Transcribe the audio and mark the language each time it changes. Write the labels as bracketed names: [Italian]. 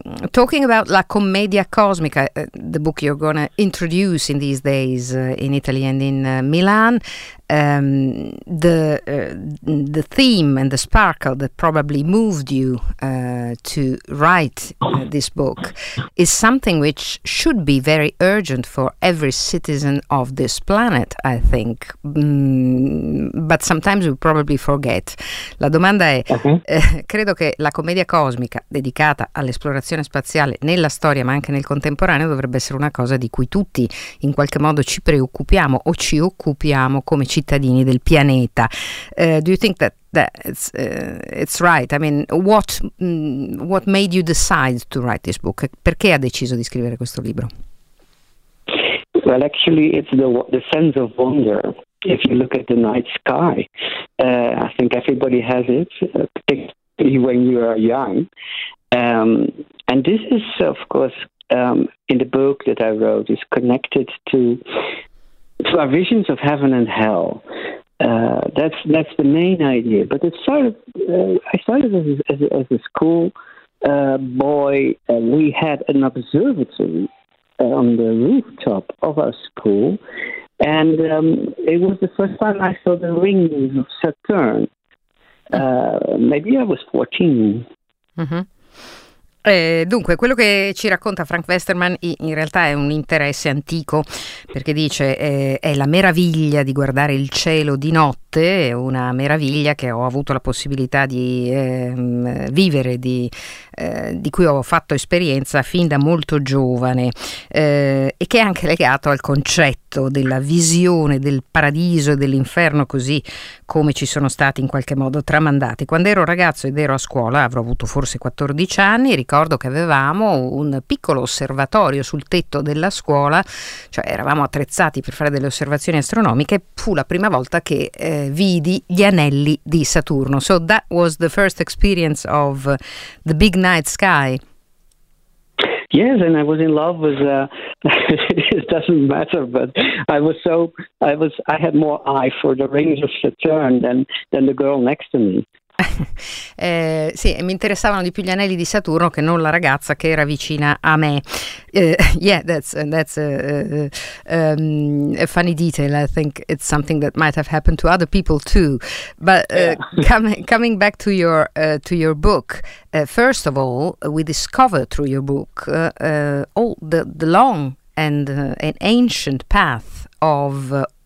[English] Talking about La Commedia Cosmica, the book you're gonna introduce in these days in Italy and in Milan, the theme and the sparkle that probably moved you to write this book is something which should be very urgent for every citizen of this planet, I think, but sometimes we probably forget. [Italian] La domanda è, credo che la commedia cosmica dedicata all'esplorazione spaziale nella storia ma anche nel contemporaneo dovrebbe essere una cosa di cui tutti in qualche modo ci preoccupiamo o ci occupiamo come cittadini del pianeta. [English] Do you think that it's right? I mean, what made you decide to write this book? [Italian] Perché ha deciso di scrivere questo libro? [English] Well, actually, it's the sense of wonder. If you look at the night sky, I think everybody has it, particularly when you are young. And this is, of course, in the book that I wrote, is connected to our visions of heaven and hell. That's the main idea. But it started as a school boy. We had an observatory on the rooftop of our school, and it was the first time I saw the rings of Saturn. Maybe I was 14. Mm-hmm. [Italian] Dunque, quello che ci racconta Frank Westerman in realtà è un interesse antico, perché dice è la meraviglia di guardare il cielo di notte, una meraviglia che ho avuto la possibilità di vivere, di cui ho fatto esperienza fin da molto giovane, e che è anche legato al concetto della visione del paradiso e dell'inferno, così come ci sono stati in qualche modo tramandati. Quando ero ragazzo ed ero a scuola, avrò avuto forse 14 anni, ricordo che avevamo un piccolo osservatorio sul tetto della scuola, cioè eravamo attrezzati per fare delle osservazioni astronomiche. Fu la prima volta che vidi gli anelli di Saturno. [English] So that was the first experience of the big night sky. Yes, and I was in love with it doesn't matter, but I had more eye for the rings of Saturn than the girl next to me. [Italian] Sì, mi interessavano di più gli anelli di Saturno che non la ragazza che era vicina a me. [English] That's a funny detail. I think it's something that might have happened to other people too. But coming back to your book, first of all, we discover through your book all the long and an ancient path of